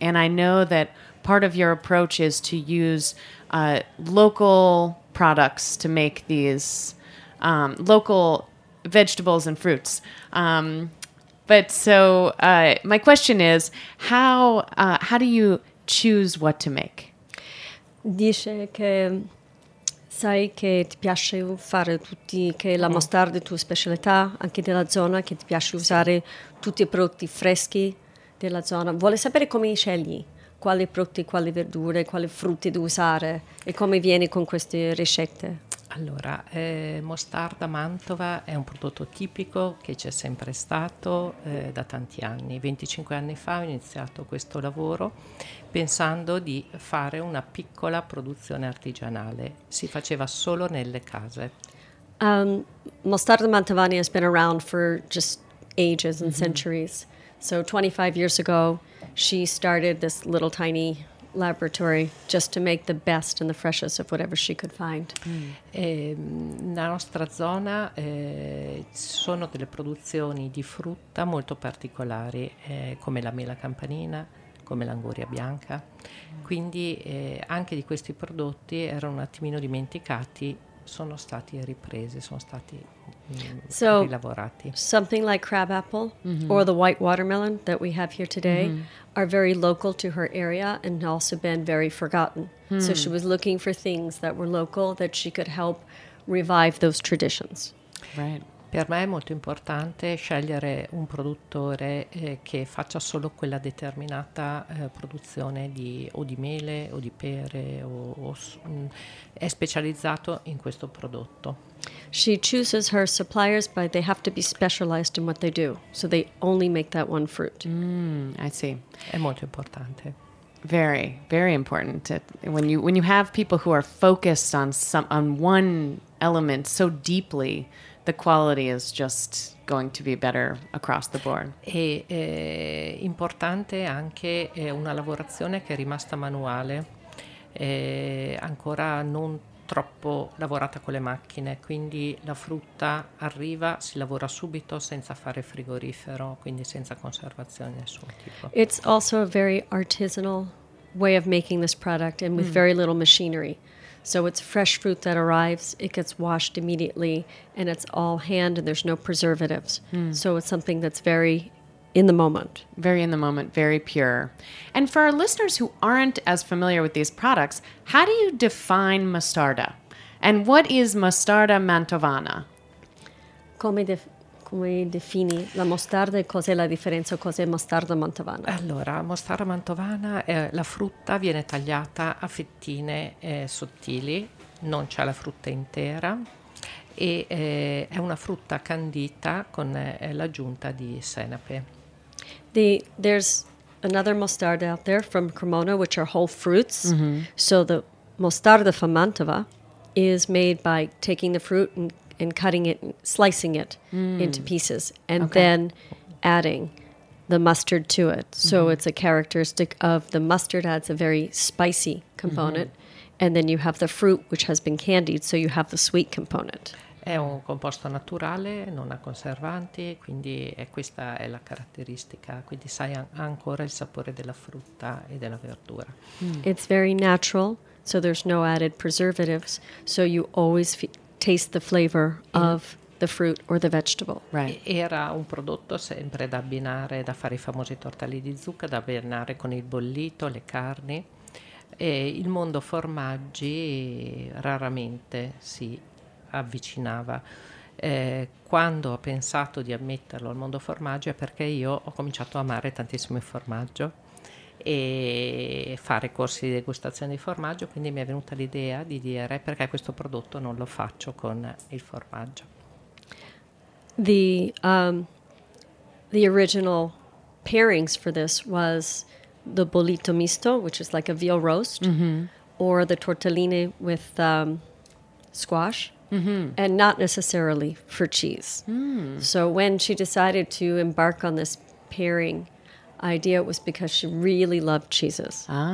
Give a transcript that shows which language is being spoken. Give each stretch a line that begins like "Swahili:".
English: And I know that part of your approach is to use local products to make these local vegetables and fruits. But so my question is, how do you choose what to make?
Italian: Dice che sai che ti piace fare tutti, che la mostarda è tua specialità, anche della zona, che ti piace usare tutti i prodotti freschi della zona. Vuole sapere come scegli quali prodotti, quali verdure, quali frutti da usare e come vieni con queste ricette. Allora, mostarda Mantova è un prodotto tipico che c'è sempre stato da tanti anni. 25 anni fa ho iniziato questo lavoro pensando di fare una piccola produzione artigianale. Si faceva solo nelle case.
English: Mostarda Mantovani has been around for just ages and centuries. So 25 years ago, she started this little tiny laboratory just to make the best and the freshest of whatever she could find.
Italian: Nella nostra zona sono delle produzioni di frutta molto particolari, come la mela campanina, come l'anguria bianca. Quindi anche di questi prodotti erano un attimino dimenticati, sono stati ripresi, sono stati rilavorati.
English: So something like crab apple or the white watermelon that we have here today are very local to her area and also been very forgotten. So she was looking for things that were local that she could help revive those traditions. Right.
Italian: Per me è molto importante scegliere un produttore che faccia solo quella determinata produzione di o di mele o di pere o è specializzato in questo prodotto.
English: She chooses her suppliers but they have to be specialized in what they do, so they only make that one fruit. I see.
Italian: È molto importante.
English: Very, very important. When you have people who are focused on one element so deeply, the quality is just going to be better across the board.
Italian: È importante anche una lavorazione che è rimasta manuale, ancora non troppo lavorata con le macchine, quindi la frutta arriva, si lavora subito senza fare frigorifero, quindi senza conservazione nessun tipo.
English: It's also a very artisanal way of making this product and with very little machinery. So it's fresh fruit that arrives, it gets washed immediately, and it's all hand and there's no preservatives. Mm. So it's something that's very in the moment. Very in the moment, very pure. And for our listeners who aren't as familiar with these products, how do you define mostarda? And what is mostarda mantovana?
Italian: Come defini la mostarda e cos'è la differenza, cos'è mostarda mantovana? Allora, mostarda mantovana, la frutta viene tagliata a fettine sottili, non c'è la frutta intera, e è una frutta candita con l'aggiunta di senape.
English: There's another mostarda out there from Cremona, which are whole fruits. Mm-hmm. So the mostarda from Mantova is made by taking the fruit and cutting it, slicing it into pieces, and then adding the mustard to it. So it's a characteristic of the mustard, adds a very spicy component. Mm-hmm. And then you have the fruit, which has been candied, so you have the sweet component.
Italian: È un composto naturale, non ha conservanti, quindi questa è la caratteristica. Quindi sai ancora il sapore della frutta e della verdura. Mm.
English: It's very natural, so there's no added preservatives, so you always taste the flavor of the fruit or the vegetable. Right.
Italian: Era un prodotto sempre da abbinare, da fare i famosi tortelli di zucca, da abbinare con il bollito, le carni. E il mondo formaggi raramente si avvicinava. Quando ho pensato di ammetterlo al mondo formaggio è perché io ho cominciato a amare tantissimo il formaggio e fare corsi di degustazione di formaggio, quindi mi è venuta l'idea di dire perché questo prodotto non lo faccio con il formaggio.
English: The original pairings for this was the bollito misto, which is like a veal roast, or the tortelline with squash. Mm-hmm. And not necessarily for cheese. Mm. So when she decided to embark on this pairing idea, it was because she really loved cheeses. Ah.